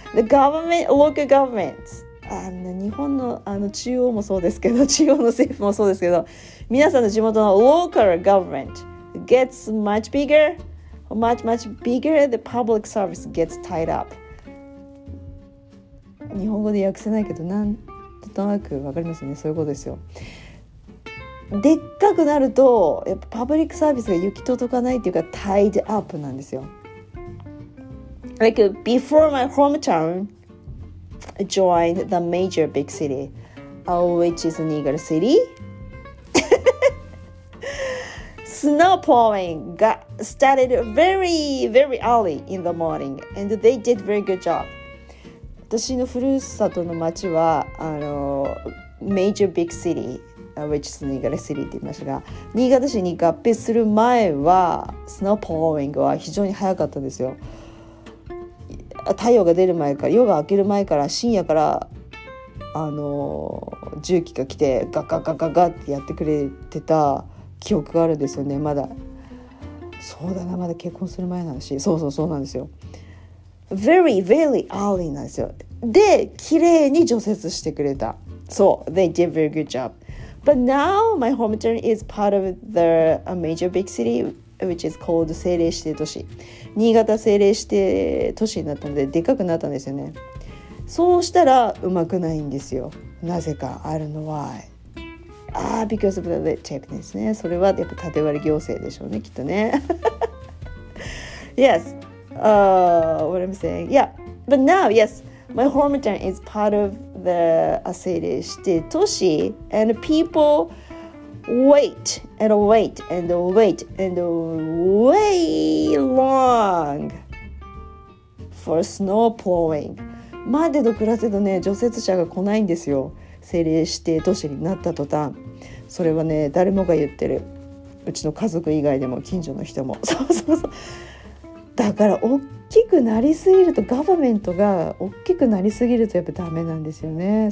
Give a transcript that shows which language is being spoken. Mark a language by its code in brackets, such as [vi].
[en] The government, local government. [ja] 日本の、 中央もそうですけど、中央の政府もそうですけど、皆さんの地元の [en] local government gets much bigger, much much bigger, the public service gets tied up. [ja] 日本語で訳せないけど、なんとなくわかりますね。そういうことですよ。でっかくなると、やっぱパブリックサービスが行き届かないっていうか、 tied up なんですよ。 [en] Like before my hometown joined the major big city, which is Niigata City, snowplowing got started very, very early in the morning, and they did very good job. [ja] 私のふるさとの町は、 [en] major big city, which is Niigata City [ja] って言いましたが、新潟市に合併する前は、snowplowing は非常に早かったんですよ。太陽が出る前から、夜が明ける前から、深夜から重機が来てガッガッガッガッガッってやってくれてた記憶があるんですよね。まだそうだな、まだ結婚する前なんだし、そうそうそうなんですよ。 [en] Very very early [ja] なんですよ。で、綺麗に除雪してくれた。 [en] そう、 They did very good job. But now my hometown is part of the a major big cityWhich is called 政令指定都市。 [ja] 新潟政令指定都市になったので、でかくなったんですよね。そうしたら、うまくないんですよ。なぜか、 [en] I don't know why. Ah, because of the red tape [ja] ですね。それは、やっぱ縦割り行政でしょうね、きっとね。 [en] yes. What I'm saying. Yeah. But now, yes. My hometown is part of the 政令指定都市. And people wait and wait and wait and way long for snow plowing. [ja] までどくらせどね、除雪車が来ないんですよ。政令指定都市になった途端。それはね、誰もが言ってる。うちの家族以外でも近所の人も。そうそうそう。だから大きくなりすぎると、ガバメントが大きくなりすぎるとやっぱダメなんですよね。